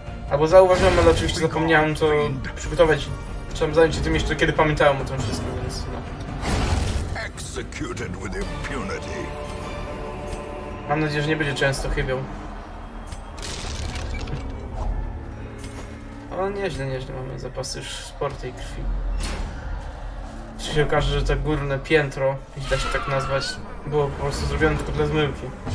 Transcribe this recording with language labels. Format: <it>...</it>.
<pl>Albo zauważyłem, ale oczywiście zapomniałem to przygotować. Chciałem zająć się tym jeszcze, kiedy pamiętałem o tym wszystkim, więc no.</pl> <en>Executed with impunity.</en> <pl>Mam nadzieję, że nie będzie często chybiał. Ale nieźle, nieźle mamy zapasy już sporo tej krwi. Czy się okaże, że to górne piętro, jeśli da się tak nazwać, było po prostu zrobione tylko dla zmyłki.</pl>